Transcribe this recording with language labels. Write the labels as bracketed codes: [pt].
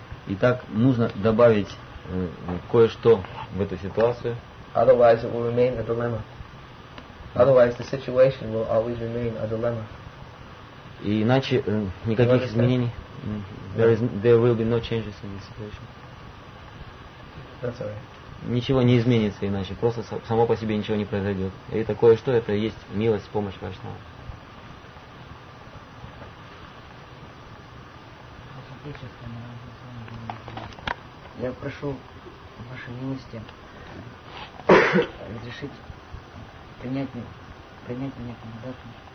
[ru] Итак, нужно добавить кое-что в эту ситуацию. [en] Otherwise, it will remain a dilemma. Otherwise, the situation will always remain a dilemma. [ru] И иначе никаких изменений. [en] There will be no changes in the situation. That's alright. [ru] Ничего не изменится иначе. Просто само по себе ничего не произойдет. И такое что это есть милость, помощь Вайшнава. Я прошу вашей милости разрешить принять меня кандидатом.